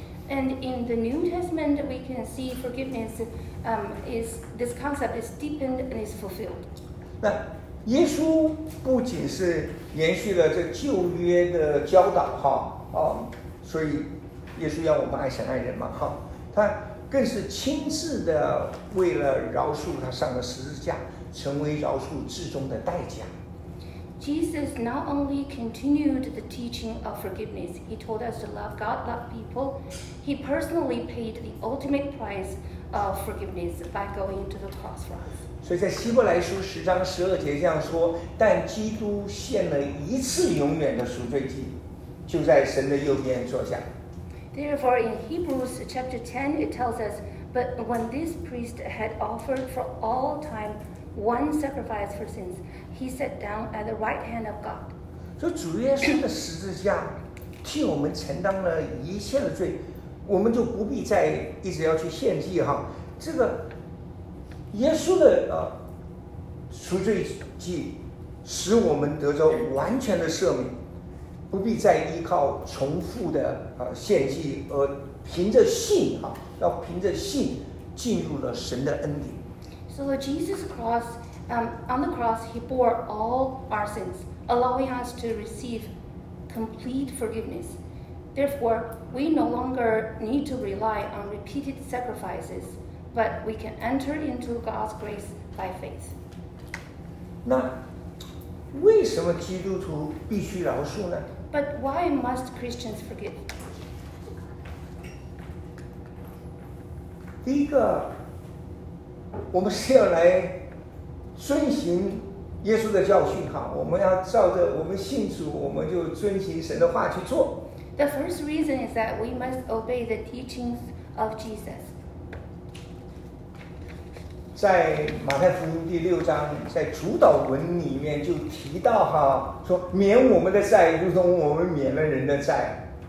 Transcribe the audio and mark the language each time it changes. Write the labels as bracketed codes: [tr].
[en] And in the New Testament, we can see forgiveness is this concept is deepened and is fulfilled. [zh] 那耶稣不仅是延续了这旧约的教导哈啊，所以耶稣要我们爱神爱人嘛哈，他更是亲自的为了饶恕他上了十字架，成为饶恕至终的代价。 [en] Jesus not only continued the teaching of forgiveness, he told us to love God, love people. He personally paid the ultimate price of forgiveness by going to the cross for us. [zh] 所以在希伯来书十章十二节这样说，但基督献了一次永远的赎罪祭，就在神的右边坐下。 [en] Therefore, in Hebrews chapter 10, it tells us, but when this priest had offered for all time one sacrifice for sins, he sat down at the right hand of God. [zh] 所以主耶稣的十字架替我们承担了一切的罪，我们就不必再一直要去献祭哈。这个耶稣的赎罪祭使我们得着完全的赦免，不必再依靠重复的献祭，而凭着信啊，要凭着信进入了神的恩典。 [en] So Jesus cross, on the cross, he bore all our sins, allowing us to receive complete forgiveness. Therefore, we no longer need to rely on repeated sacrifices, but we can enter into God's grace by faith. [zh] 那为什么基督徒必须饶恕呢？ [en] But why must Christians forgive? [zh] 第一个，我们是要来遵循耶稣的教训哈，我们要照着我们信主，我们就遵循神的话去做。 [en] The first reason is that we must obey the teachings of Jesus. [zh] 在马太福音第六章，在主导文里面就提到哈，说免我们的债，如同我们免了人的债。